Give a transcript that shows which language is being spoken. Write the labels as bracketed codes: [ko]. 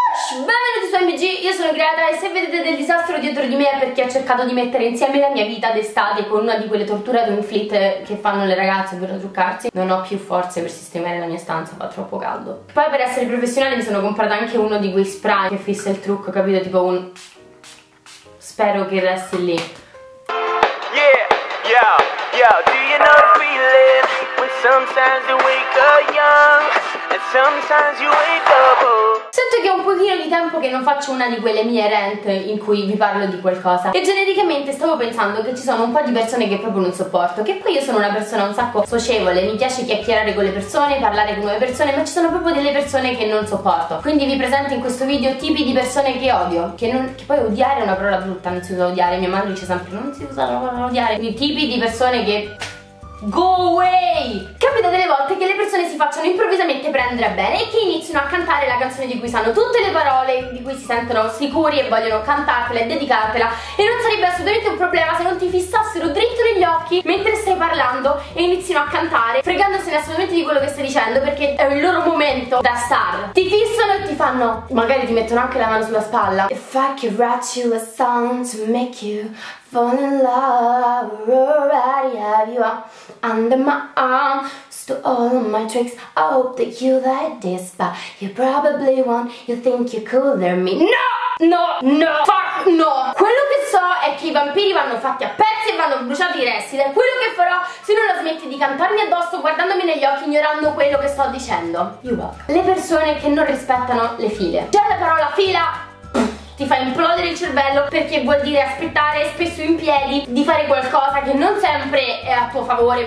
[it] Benvenuti su MG, io sono Greta e se vedete del disastro dietro di me è perché ho cercato di mettere insieme la mia vita d'estate con una di quelle torture ad inflit che fanno le ragazze per truccarsi. Non ho più forze per sistemare la mia stanza, fa troppo caldo. Poi per essere professionale mi sono comprata anche uno di quei spray che fissa il trucco, capito? Tipo un... spero che resti lì. [en] Yeah, yeah, yeah, do you know the feeling? Sometimes you wake up young and sometimes you wake up old. [it] Sento che è un pochino di tempo che non faccio una di quelle mie rant in cui vi parlo di qualcosa. E genericamente stavo pensando che ci sono un po' di persone che proprio non sopporto. Che poi io sono una persona un sacco socievole, mi piace chiacchierare con le persone, parlare con nuove persone, ma ci sono proprio delle persone che non sopporto. Quindi vi presento in questo video tipi di persone che odio. Che poi odiare è una parola brutta, non si usa odiare. Mia madre dice sempre non si usa la parola odiare. Quindi tipi di persone che... [en] go away! [it] Capita delle volte che le persone si facciano improvvisamente prendere a bene e che iniziano a cantare la canzone di cui sanno tutte le parole, di cui si sentono sicuri e vogliono cantartela e dedicartela, e non sarebbe assolutamente un problema se non ti fissassero dritto negli occhi mentre stai parlando e iniziano a cantare fregandosene assolutamente di quello che stai dicendo, perché è il loro momento da star. Ti fissano e ti fanno, magari ti mettono anche la mano sulla spalla. [en] If I could write you a song to make you fall in love, already have you under my arm. So all of my tricks, I hope that you like this, but you probably won't. You think you're cooler than me? No! No! No! Fuck no! [it] Quello che so è che i vampiri vanno fatti a pezzi e vanno bruciati i resti. Ed è quello che farò se non la smetti di cantarmi addosso guardandomi negli occhi, ignorando quello che sto dicendo. [en] You walk. [it] Le persone che non rispettano le file. Già la parola fila ti fa implodere il cervello, perché vuol dire aspettare, spesso in piedi, di fare qualcosa che non sempre è a tuo favore.